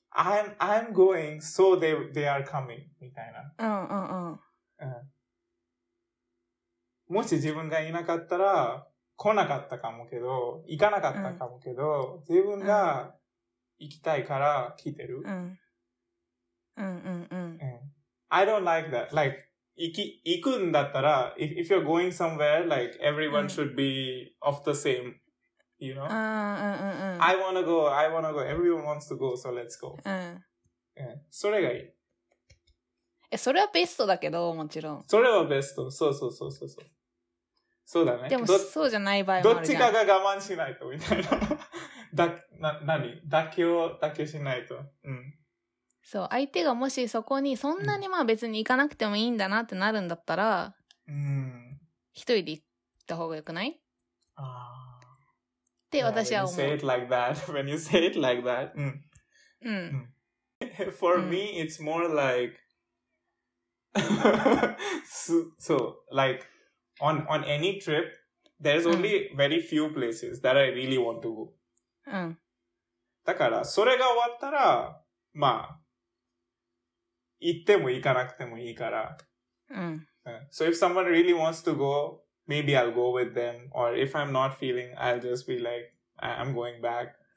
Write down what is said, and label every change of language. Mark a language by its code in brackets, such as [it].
[en] I'm going so they are coming みたいな。 [ja] うんうんうん。うん。もし自分がいなかったら来なかったかもけど、行かなかったかもけど、うん、自分が行きたいから来てる。うん。うんうんうん。 [en] うん、I don't like that. Like, [ja] 行くんだったら、 [en] if you're going somewhere, like, everyone should be of the same. You know? [ja] うんうんうん、 [en] I wanna go. Everyone wants to go, so let's go.、 [ja] うん yeah. それがいい。え、それはベストだけど、もちろん。それはベスト。そうそうそうそう。そうだね。でも、そうじゃない場合もあるじゃん。どっちかが我慢しないと、みたいな。何？妥協しないと。うん。そう、相手がもしそこに、そんなにまあ別に行かなくてもいいんだなってなるんだったら、うん。一人で行った方がよくない？ああ。って私は思う。 [en] When you say it like that, when you say it like that, [ja] うん。うん。 [en] For me, it's more like, so like on any trip, there's only very few places that I really want to go. [ja] だからそれが終わったら、まあ行っても行かなくてもいいから。 [en] So if someone really wants to go, maybe I'll go with them. Or if I'm not feeling, I'll just be like, I'm going back.